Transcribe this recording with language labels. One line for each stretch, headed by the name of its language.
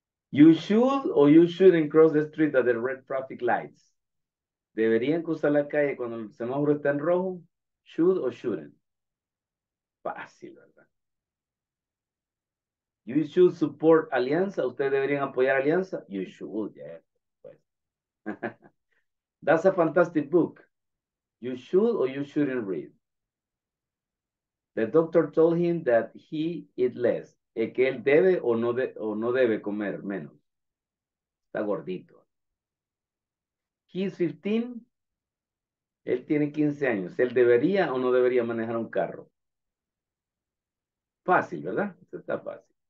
English: You should or you shouldn't cross the street at the red traffic lights.
Spanish: ¿Deberían cruzar la calle cuando el semáforo está en rojo?
English: Should or shouldn't.
Spanish: Fácil, ¿verdad?
English: You should support Alianza.
Spanish: ¿Ustedes deberían apoyar Alianza?
English: You should, yes. Pues. That's a fantastic book. You should or you shouldn't read. The doctor told him that he eat less.
Spanish: Es que él debe o no debe comer menos. Está gordito.
English: He's 15.
Spanish: Él tiene 15 años. ¿Él debería o no debería manejar un carro? Fácil, ¿verdad? Está fácil.